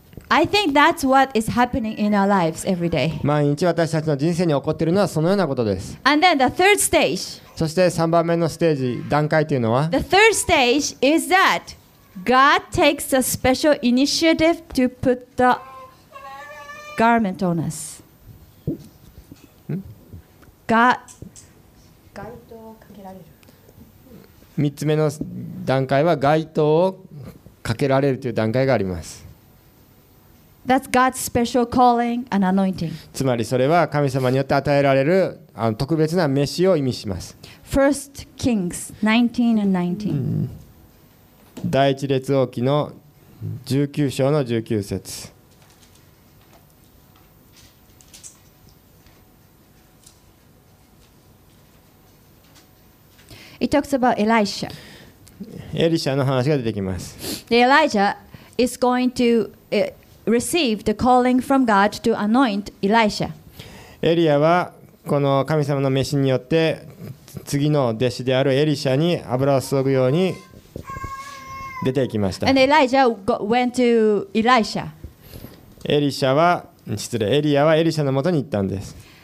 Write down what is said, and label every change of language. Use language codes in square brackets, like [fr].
[en] I think that's what is happening in our lives every day. [ja] 毎日私たちの人生に起こっているのはそのようなことです。 [en] And then the third stage. [ja] そして3番目のステージ、段階というのは、 [en] The third stage is that God takes a special initiative to put the garment on us. God [ja] 3つ目の段階は街灯をかけられるという段階があります。 [en] That's God's special calling and anointing. [ja] つまりそれは神様によって与えられる特別な召しを意味します。 [en] First Kings 19 and 19. [ja] 第一列王記の19章の19節。 [en] It talks about Elisha. [ja] エリシャの話が出てきます。 [en] The Elijah is going to receive the calling from God to anoint Elisha. [ja] エリアはこの神様の召しによって次の弟子であるエリシャに油を注ぐように出ていきました。 [en] And Elijah went to Elisha. [ja] エリアはエリシャのもとに行ったんです。